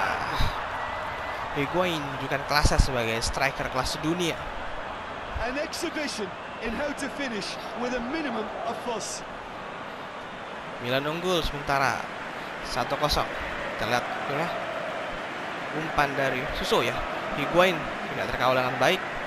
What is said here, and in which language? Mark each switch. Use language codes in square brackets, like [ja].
[id] Alhamdulillah, Higuain menunjukkan kelasnya sebagai striker kelas dunia. [en] An exhibition in how to finish with a minimum of fuss. [id] Milan unggul sementara 1-0. Kita lihat ya, umpan dari Suso ya. Higuain tidak terkawal dengan baik.